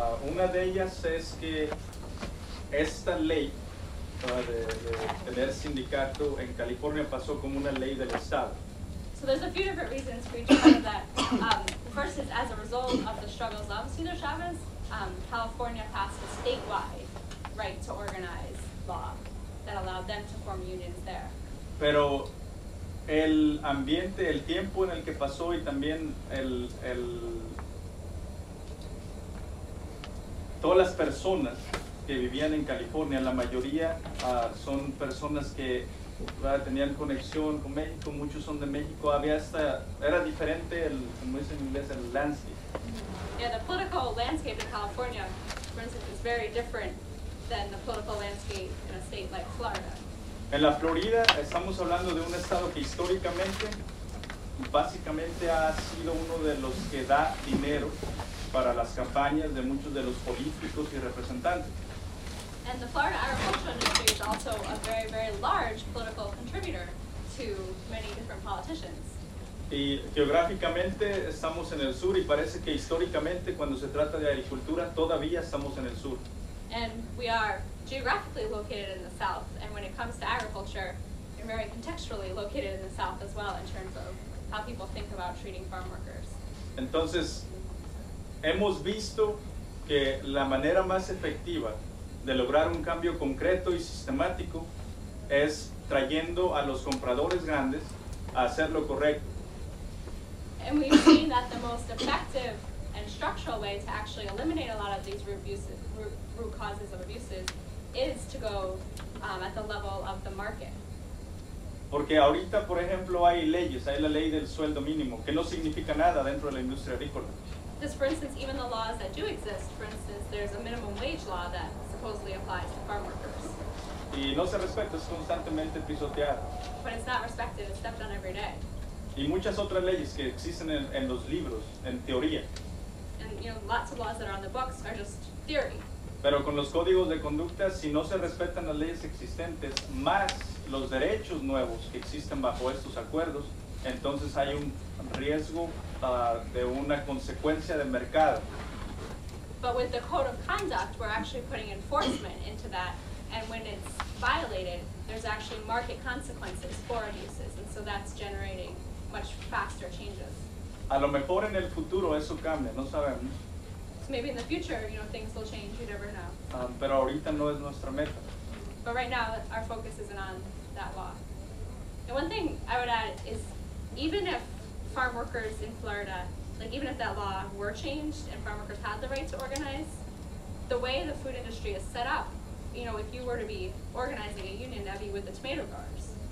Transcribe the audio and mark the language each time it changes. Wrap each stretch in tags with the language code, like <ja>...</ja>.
<es>Una de ellas es que esta ley de tener sindicato en California pasó como una ley del estado.</es> <en>So there's a few different reasons for each one of that. First is as a result of the struggles of Cesar Chavez, California passed a statewide right to organize law that allowed them to form unions there.</en> <es>Pero el ambiente, el tiempo en el que pasó y también el todas las personas que vivían en California, la mayoría son personas que tenían conexión con México, muchos son de México, había hasta, era diferente, el, como dicen en inglés, el landscape.</es> <en>Yeah, the political landscape in California, for instance, is very different than the political landscape in a state like Florida.</en> <es>En la Florida estamos hablando de un estado que históricamente, básicamente ha sido uno de los que da dinero para las campañas de muchos de los políticos y representantes.</es> <en>And the Florida agricultural industry is also a very, very large political contributor to many different politicians.</en> <es>Y geográficamente estamos en el sur y parece que históricamente cuando se trata de agricultura todavía estamos en el sur.</es> <en>And we are geographically located in the south, and when it comes to agriculture, we're very contextually located in the south as well in terms of how people think about treating farm workers.</en> <es>Entonces, hemos visto que la manera más efectiva de lograr un cambio concreto y sistemático es trayendo a los compradores grandes a hacer lo correcto.</es> <en>And we've seen that the most effective and structural way to actually eliminate a lot of these root causes of abuses is to go at the level of the market.</en> <es>Porque ahorita, por ejemplo, hay leyes, hay la ley del sueldo mínimo, que no significa nada dentro de la industria agrícola.</es> <en>Because, for instance, even the laws that do exist, for instance, there's a minimum wage law that supposedly applies to farm workers.</en> <es>Y no se respeta, es constantemente pisoteado.</es> <en>But it's not respected, it's stepped on every day.</en> <es>Y muchas otras leyes que existen en los libros, en teoría.</es> <en>And, you know, lots of laws that are on the books are just theory.</en> <es>Pero con los códigos de conducta, si no se respetan las leyes existentes, más los derechos nuevos que existen bajo estos acuerdos, entonces hay un riesgo de una consecuencia de mercado.</es> <en>But with the code of conduct, we're actually putting enforcement into that, and when it's violated, there's actually market consequences for abuses, and so that's generating much faster changes.</en> <es>A lo mejor en el futuro eso cambia, no sabemos.</es> <en>So maybe in the future, you know, things will change, you never know.</en> <es>Pero ahorita no es nuestra meta.</es> <en>But right now, our focus isn't on that law. And one thing I would add is, even if farm workers in Florida, like even if that law were changed and farm workers had the right to organize, the way the food industry is set up, you know, if you were to be organizing a union, that'd be with the tomato growers.</en>